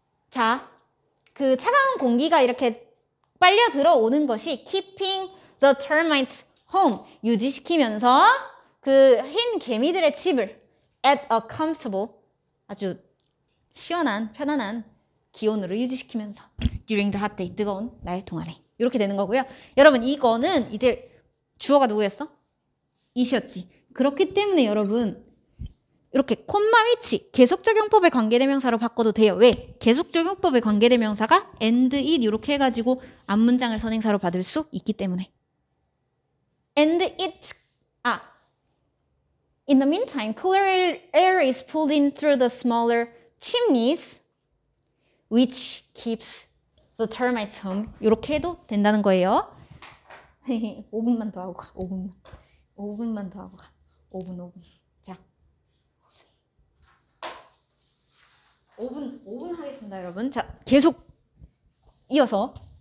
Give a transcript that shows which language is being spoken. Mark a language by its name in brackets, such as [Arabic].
[Korean] 자, 그 차가운 공기가 이렇게 빨려 들어오는 것이 [English] keeping the termites home, [Korean] 유지시키면서 그 흰 개미들의 집을 [English] at a comfortable, [Korean] 아주 시원한, 편안한 기온으로 유지시키면서 [English] during the hot day, [Korean] 뜨거운 날 동안에 이렇게 되는 거고요. 여러분 이거는 이제 주어가 누구였어? 이시였지. 그렇기 때문에 여러분 이렇게 콤마 위치 계속적용법의 관계대명사로 바꿔도 돼요. 왜? 계속적용법의 관계대명사가 [English] and, it [Korean] 이렇게 해가지고 앞 문장을 선행사로 받을 수 있기 때문에 [English] and it, 아 in the meantime, cooler air is pulled in through the smaller chimneys, which keeps the termites home. [Korean] 이렇게 해도 된다는 거예요. 5분만 더 하고 가. 5분만. 5분만 더 하고 가. 5분, 5분. 자. 5분, 5분 하겠습니다, 여러분. 자, 계속 이어서.